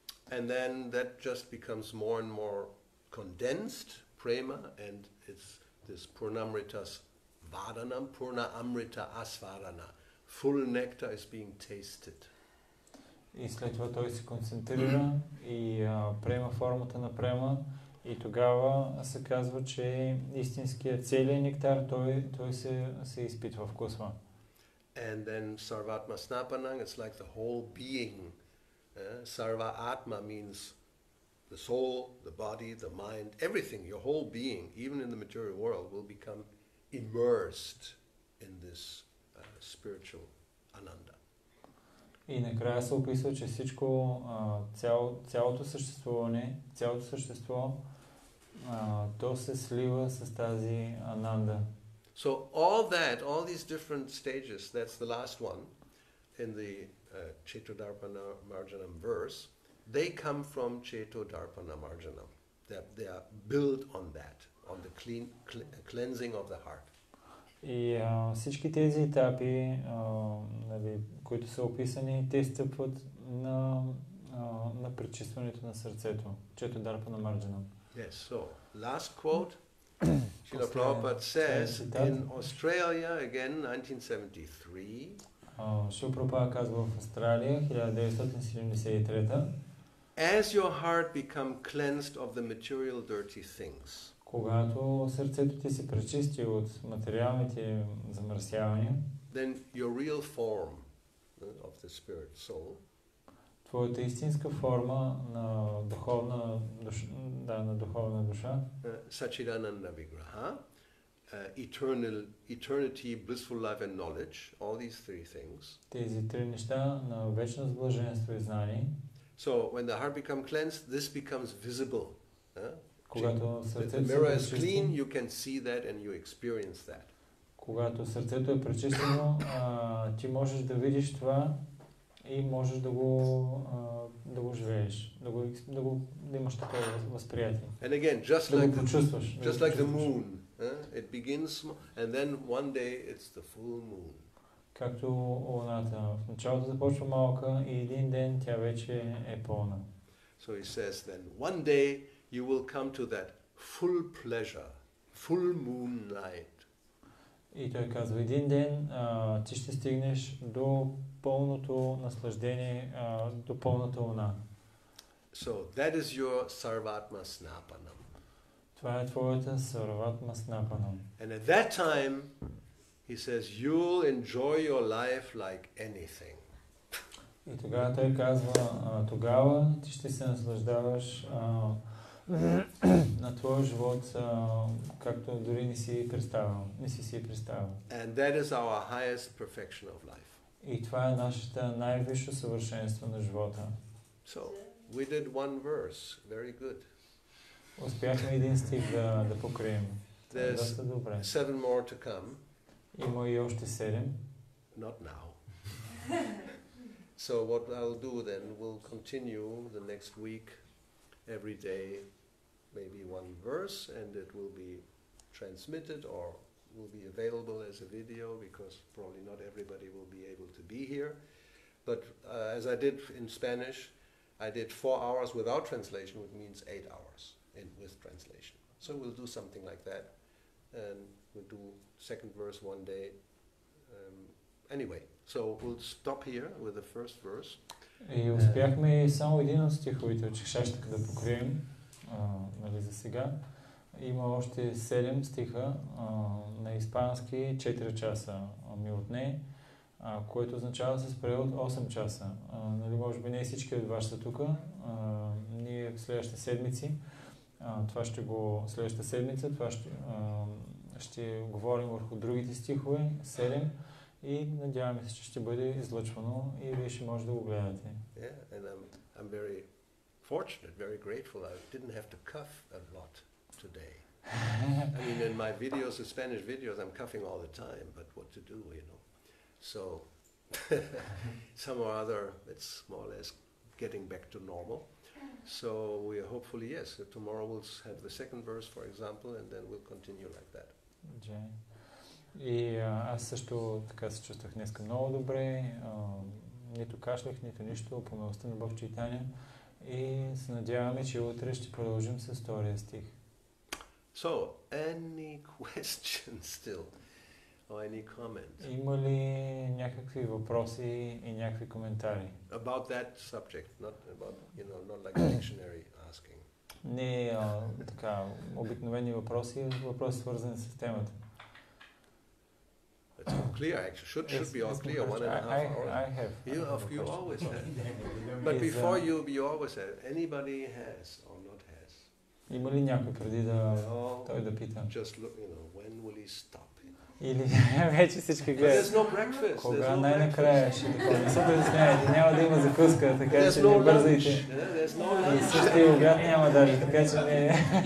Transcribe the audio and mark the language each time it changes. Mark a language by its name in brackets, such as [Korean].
[English] And then that just becomes more and more condensed, prema, and it's this Purnamritas Vardhanam, Purna Amrita Asvardhana. Full nectar is being tasted. [Bulgarian] И след това той се концентрира и приема формата на према и тогава се казва, че истинският целият нектар той се изпитва вкусва. [English] And then sarvatma snapanang, it's like the whole being. Sarva atma means the soul, the body, the mind, everything, your whole being, even in the material world, will become immersed in this spiritual ananda. [Bulgarian] И накрая се описва, че всичко, цялото съществуване, цялото същество, то се слива с тази ананда. [English] So all that, all these different stages, that's the last one in the Chetodarpana Marjanam verse, they come from Chetodarpana Marjanam. They are built on that, on the cleansing of the heart. [Bulgarian] И всички тези етапи, нали, които са описани, те стъпват на пречистването на сърцето, чето дарпа на Марджана. [English] Yes, so, last quote, Srila Prabhupada says, in Australia, again, 1973, [Bulgarian] Srila Prabhupada казва в Австралия, 1973, [English] as your heart become cleansed of the material dirty things, [Bulgarian] когато сърцето ти се пречисти от материалните замърсявания, [English] then your real form of the spirit soul, [Bulgarian] твоята истинска форма на духовна душа, да, на духовна душа, [English] Сачидананда Виграха, eternal eternity, blissful life and knowledge, all these three things, [Bulgarian] тези три неща на вечно блаженство и знание. [English] So when the heart becomes cleansed, this becomes visible. [Bulgarian] Когато сърцето е [English] clean, you can see that and you experience that. [Bulgarian] Когато сърцето е пречистено, ти можеш да видиш това и можеш да го да го живееш, да имаш такова възприятие. [English] And again, just like the [Bulgarian] чувстваш, [English] just like the moon, it begins and then one day it's the full moon. [Bulgarian] Както луната, в началото започва малка и един ден тя вече е пълна. [English] So he says then one day you will come to that full pleasure, full moonlight. [Bulgarian] И той казва, един ден ти ще стигнеш до пълното наслаждение, до пълната луна. [English] So that is your sarvatma snapanam. [Bulgarian] Това е твоята sarvatma snapanam. [English] And at that time he says you'll enjoy your life like anything. [Bulgarian] И тогава той казва, тогава ти ще се наслаждаваш на твоя живот, както дори не си представил, не си си представил. [English] And that is our highest perfection of life. [Bulgarian] И това е нашето най-висше съвършенство на живота. [English] So we did one verse, very good. [Bulgarian] Успяхме един стих да покрием. Доста добре. [English] Seven more to come. [Bulgarian] Има и още седем. [English] Not now. So what I'll do then, we'll continue the next week. Every day, maybe one verse, and it will be transmitted or will be available as a video, because probably not everybody will be able to be here. But as I did in Spanish, I did 4 hours without translation, which means 8 hours in with translation. So we'll do something like that, and we'll do second verse one day. Anyway, so we'll stop here with the first verse. [Bulgarian] И успяхме само един от стиховите от Чехшаштака да покрием, нали за сега. Има още 7 стиха на испански, 4 часа ми отне, което означава се спре от 8 часа. Нали, може би не всички от вас са тук, ние в следващите седмици, това ще го следващата седмица, това ще говорим върху другите стихове, 7. И надяваме се, че ще бъде излъчвано и вие ще може да го гледате. [English] Yeah, and I'm very fortunate, very grateful. I didn't have to cough a lot today. I mean, in my videos, the Spanish videos, I'm coughing all the time, but what to do, you know. So, some or other, it's more or less getting back to normal. So, we hopefully, yes, tomorrow we'll have the second verse, for example, and then we'll continue like that. Okay. [Bulgarian] И аз също така се чувствах днеска много добре, нито кашлях, нито нищо, по милостта на Бог Чайтаня. И се надяваме, че утре ще продължим с втория стих. [English] So, any questions still? Or any comments? [Bulgarian] Има ли някакви въпроси и някакви коментари? [English] About that subject, not about, you know, not like a dictionary asking. [Bulgarian] Не, така, обикновени въпроси, въпроси свързани с темата. [English] It's all clear, actually. Should be all clear, 1.5 hours. I have. You always have. But before you always have. Anybody has or not has? [Bulgarian] Има ли някой преди да той да пита? [English] Just look, you know, when will he stop? [Bulgarian] Или вече всички гледат. [English] There's no breakfast. [Bulgarian] Кога най-накрая ще такова? Не са предусмяете, няма да има закуска, така че не бързайте. [English] There's no lunch. [Bulgarian] И също и обяд няма даже, така че не...